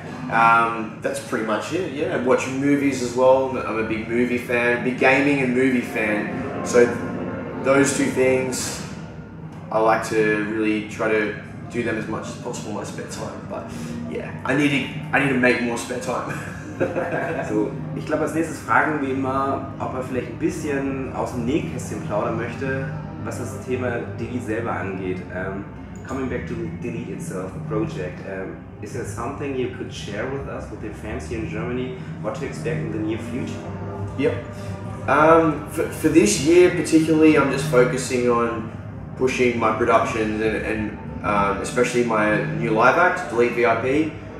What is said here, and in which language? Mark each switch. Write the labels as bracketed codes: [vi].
[en] That's pretty much it, yeah. Watching movies as well, I'm a big movie fan, big gaming and movie fan. So those two things, I like to really try to do them as much as possible in my spare time. But yeah, I need to make more spare time. [de] So, ich glaube, als nächstes fragen wir immer, ob er vielleicht ein bisschen aus dem Nähkästchen plaudern möchte, was das Thema Delete selber angeht. [en] Coming back to Delete itself, the project, is there something you could share with us, with your fans here in Germany, what to expect in the near future? Yep. For this year particularly, I'm just focusing on pushing my productions and especially my new live act, Delete VIP.